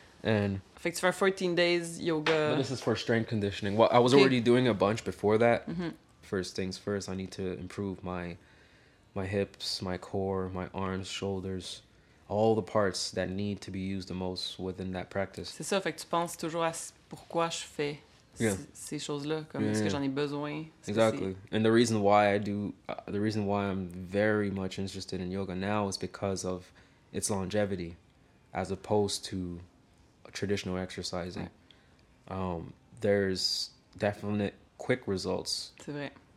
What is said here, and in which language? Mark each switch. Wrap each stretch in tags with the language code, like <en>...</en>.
<en>And</en> <fr>fait que tu fais</fr> <en>14 days yoga. This is for strength conditioning. Well, I was already doing a bunch before that. Mm-hmm. First things first, I need to improve my hips, my core, my arms, shoulders. All the parts that need to be used the most within that practice.</en> <fr>C'est ça, fait que tu penses toujours à pourquoi je fais ces choses-là, comme est-ce que j'en ai besoin.</fr> <en>Exactly. And the reason why I'm very much interested in yoga now is because of its longevity, as opposed to traditional exercising. Ouais. There's definite quick results.</en> <fr>C'est vrai.</fr>